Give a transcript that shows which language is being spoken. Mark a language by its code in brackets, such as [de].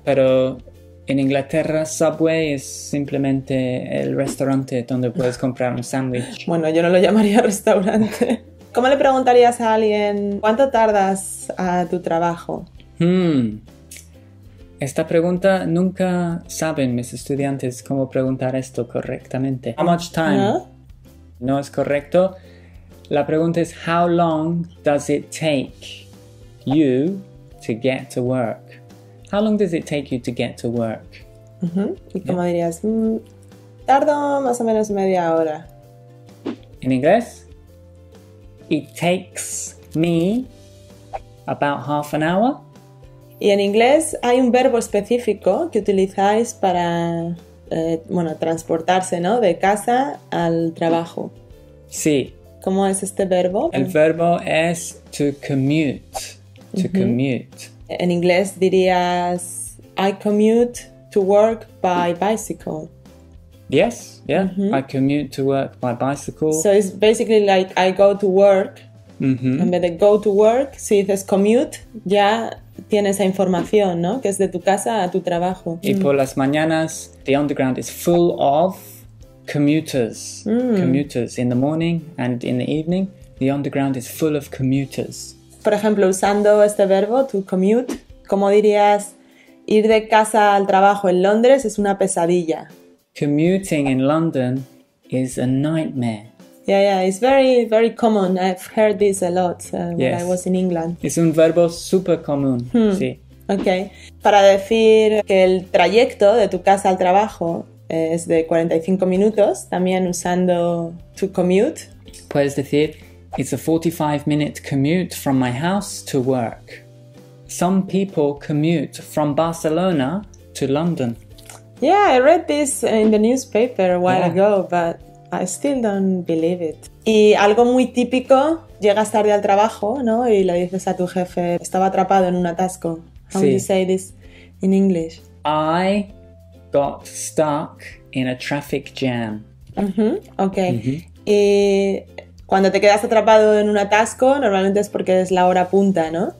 [es] Pero en Inglaterra subway es simplemente el restaurante donde puedes comprar un sándwich. Bueno, yo no lo llamaría restaurante. ¿Cómo le preguntarías a alguien cuánto tardas a tu trabajo? Esta pregunta nunca saben mis estudiantes cómo preguntar esto correctamente. [en] How much time? [es] No es correcto. La pregunta es, [en] how long does it take you to get to work? How long does it take you to get to work? [es] Y como dirías, tardo más o menos media hora. [en] In English, it takes me about half an hour. [es] Y en inglés hay un verbo específico que utilizáis para, bueno, transportarse, ¿no? De casa al trabajo. Sí. ¿Cómo es este verbo? El verbo es to commute. To commute. En inglés dirías, [en] I commute to work by bicycle. Yes, yeah. Mm-hmm. I commute to work by bicycle. So it's basically like I go to work. [es] En vez de go to work, si dices commute, ya tienes esa información, ¿no? Que es de tu casa a tu trabajo. Y por las mañanas, [en] the underground is full of commuters. Commuters in the morning and in the evening, the underground is full of commuters. [es] Por ejemplo, usando este verbo, to commute, ¿cómo dirías ir de casa al trabajo en Londres es una pesadilla? [en] Commuting in London is a nightmare. Yeah, it's very, very common. I've heard this a lot when Yes. I was in England. [es] Es un verbo super común, sí. [en] Okay. [es] Para decir que el trayecto de tu casa al trabajo es de 45 minutos, también usando to commute. Puedes decir, [en] it's a 45-minute commute from my house to work. Some people commute from Barcelona to London. Yeah, I read this in the newspaper a while ago, but I still don't believe it. [es] Y algo muy típico, llegas tarde al trabajo, ¿no? Y le dices a tu jefe, estaba atrapado en un atasco. [en] How do you say this in English? I got stuck in a traffic jam. Okay. [es] Y cuando te quedas atrapado en un atasco, normalmente es porque es la hora punta, ¿no?